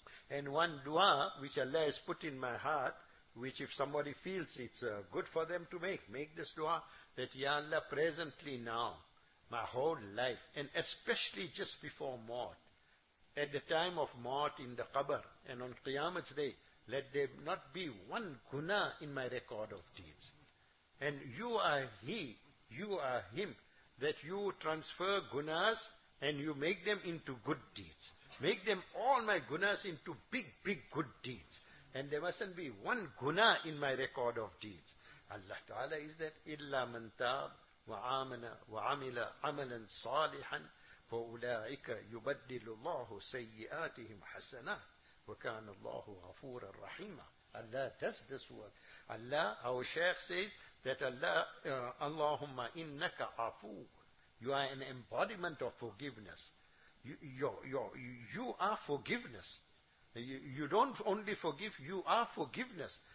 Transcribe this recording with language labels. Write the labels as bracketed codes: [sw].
[en] And one dua which Allah has put in my heart, which if somebody feels it's good for them to make this dua, that Ya Allah, presently now, my whole life, and especially just before maut, at the time of maut in the qabr, and on Qiyamah's day, let there not be one guna in my record of deeds. And you are He, you are Him, that you transfer gunas and you make them into good deeds. Make them, all my gunas, into big, big good deeds. And there mustn't be one guna in my record of deeds. Allah Ta'ala is that, [ar] إِلَّا مَنْ تَابْ وَعَامَنَ وَعَمِلَ عَمَلًا صَالِحًا فَأُولَٰئِكَ يُبَدِّلُ اللَّهُ سَيِّئَاتِهِمْ حَسَنًا وَكَانَ اللَّهُ غَفُورًا رَحِيمًا. [en] Allah does this work. Allah, our Shaykh says, that Allah, Allahumma innaka afu, you are an embodiment of forgiveness. You are forgiveness. You don't only forgive, you are forgiveness.